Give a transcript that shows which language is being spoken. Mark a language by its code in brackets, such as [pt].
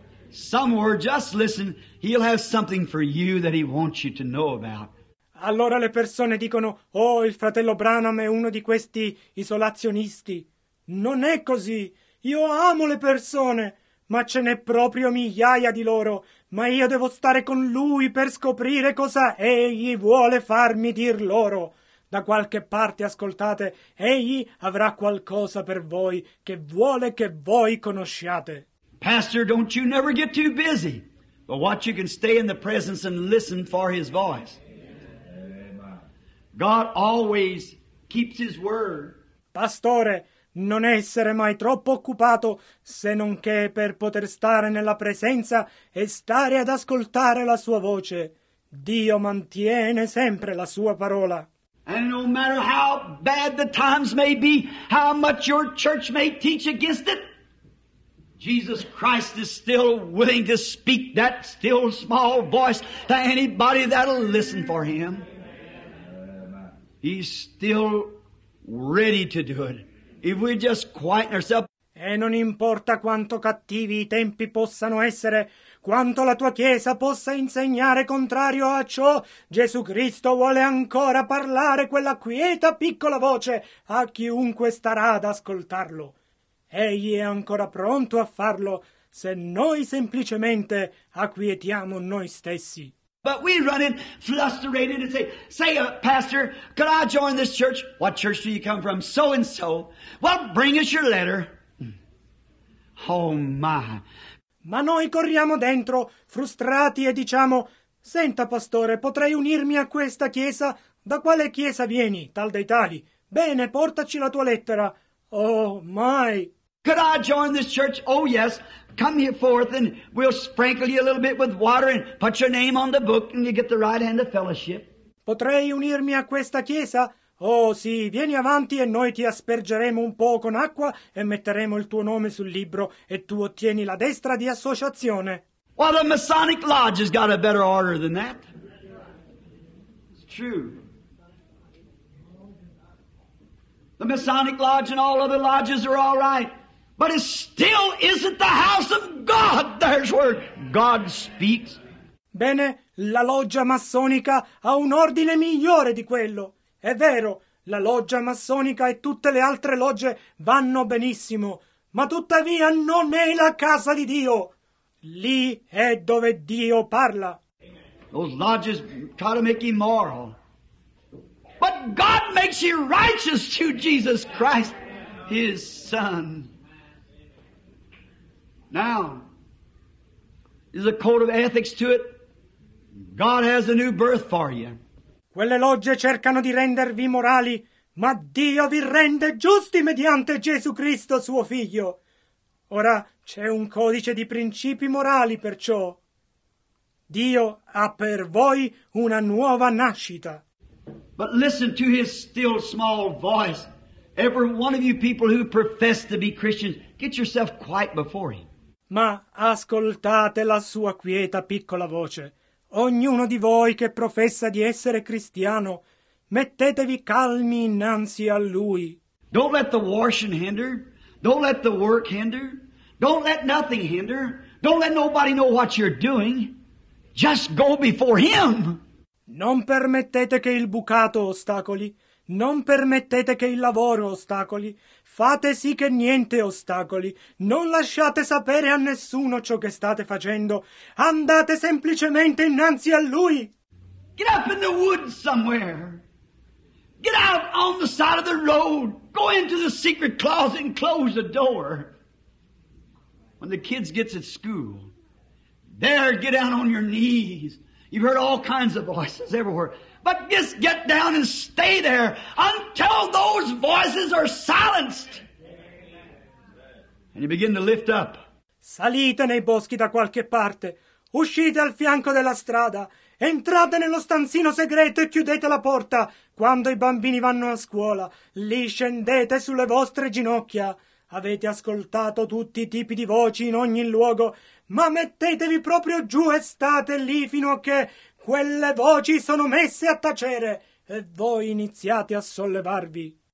[en] Somewhere, just listen, he'll have something for you that he wants you to know about. [it] Allora le persone dicono, oh, il fratello Branham è uno di questi isolazionisti. Non è così. Io amo le persone, ma ce n'è proprio migliaia di loro. Ma io devo stare con lui per scoprire cosa egli vuole farmi dir loro. Da qualche parte ascoltate, egli avrà qualcosa per voi che vuole che voi conosciate. [en] Pastor, don't you never get too busy, but watch you can stay in the presence and listen for his voice. God always keeps his word. [it] Pastore, non essere mai troppo occupato, se non che per poter stare nella presenza e stare ad ascoltare la sua voce. Dio mantiene sempre la sua parola. [en] And no matter how bad the times may be, how much your church may teach against it, Jesus Christ is still willing to speak that still small voice to anybody that'll listen for him. He's still ready to do it. If we just quieten ourselves. [it] E non importa quanto cattivi i tempi possano essere, quanto la tua chiesa possa insegnare contrario a ciò, Gesù Cristo vuole ancora parlare quella quieta piccola voce a chiunque starà ad ascoltarlo. Egli è ancora pronto a farlo se noi semplicemente acquietiamo noi stessi. [en] But we run in flustered and say, Pastor, could I join this church? What church do you come from? So and so. Well, bring us your letter. Oh my. [it] Ma noi corriamo dentro, frustrati, e diciamo, senta pastore, potrei unirmi a questa chiesa? Da quale chiesa vieni? Tal dei tali. Bene, portaci la tua lettera. [en] Oh my. Could I join this church? Oh yes. Come here forth and we'll sprinkle you a little bit with water and put your name on the book and you get the right hand of fellowship. [it] Potrei unirmi a questa chiesa? Oh sì, vieni avanti e noi ti aspergeremo un po' con acqua e metteremo il tuo nome sul libro e tu ottieni la destra di associazione. [en] Well, the Masonic Lodge has got a better order than that. It's true. The Masonic Lodge and all other lodges are all right. But it still isn't the house of God. There's where God speaks. [it] Bene, la loggia massonica ha un ordine migliore di quello. È vero, la loggia massonica e tutte le altre logge vanno benissimo, ma tuttavia non è la casa di Dio. Lì è dove Dio parla. [en] Those lodges try to make you moral. But God makes you righteous through Jesus Christ, His Son. Now, is a code of ethics to it? God has a new birth for you. [it] Quelle logge cercano di rendervi morali, ma Dio vi rende giusti mediante Gesù Cristo, suo figlio. Ora, c'è un codice di principi morali, perciò. Dio ha per voi una nuova nascita. [en] But listen to his still small voice. Every one of you people who profess to be Christians, get yourself quiet before him. [it] Ma ascoltate la sua quieta piccola voce. Ognuno di voi che professa di essere cristiano, mettetevi calmi innanzi a lui. [en] Don't let the washing hinder. Don't let the work hinder. Don't let nothing hinder. Don't let nobody know what you're doing. Just go before him. [it] Non permettete che il bucato ostacoli. Non permettete che il lavoro ostacoli. Fate sì che niente ostacoli. Non lasciate sapere a nessuno ciò che state facendo. Andate semplicemente innanzi a lui. [en] Get up in the woods somewhere. Get out on the side of the road. Go into the secret closet and close the door. When the kids gets at school, there, get down on your knees. You've heard all kinds of voices everywhere. But just get down and stay there until those voices are silenced. And you begin to lift up. [it] Salite nei boschi da qualche parte. Uscite al fianco della strada. Entrate nello stanzino segreto e chiudete la porta. Quando i bambini vanno a scuola, lì scendete sulle vostre ginocchia. Avete ascoltato tutti i tipi di voci in ogni luogo, ma mettetevi proprio giù e state lì fino a che quelle voci sono messe a tacere e voi iniziate a sollevarvi.